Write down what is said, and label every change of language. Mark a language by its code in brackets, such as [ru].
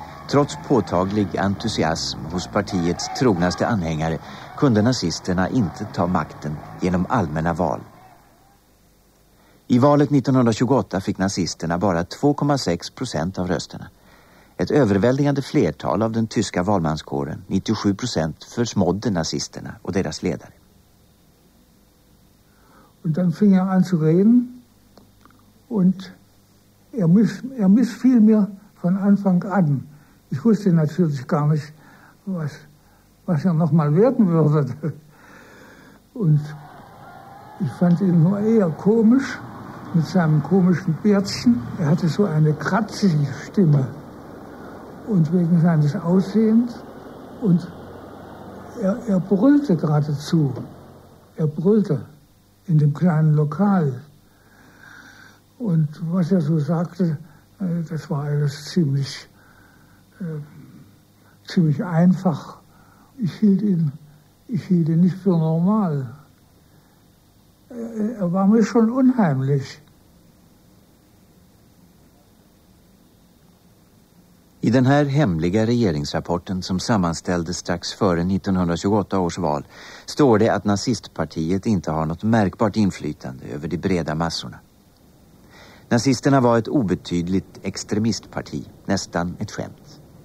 [sv] Trots påtaglig entusiasm hos partiets trognaste anhängare kunde nazisterna inte ta makten genom allmänna val. I valet 1928 fick nazisterna bara 2,6% av rösterna. Ett överväldigande flertal av den tyska valmanskåren, 97%, försmådde nazisterna och deras ledare. [de] Und dann fing er an zu reden und er missfiel mir von Anfang an. Ich wusste natürlich gar nicht, was er noch mal werden würde. Und ich fand ihn nur eher komisch mit seinem komischen Bärtchen. Er hatte so eine kratzige Stimme und wegen seines Aussehens. Und er brüllte geradezu. Er brüllte in dem kleinen Lokal. Und was er so sagte, das war alles ziemlich einfach. Ich hielt ihn nicht für normal. Er war mir schon unheimlich. [sv] I den här hemliga regeringsrapporten som sammanställdes strax före 1928 års val står det att nazistpartiet inte har något märkbart inflytande över de breda massorna. Nazisterna var ett obetydligt extremistparti, nästan ett skämt.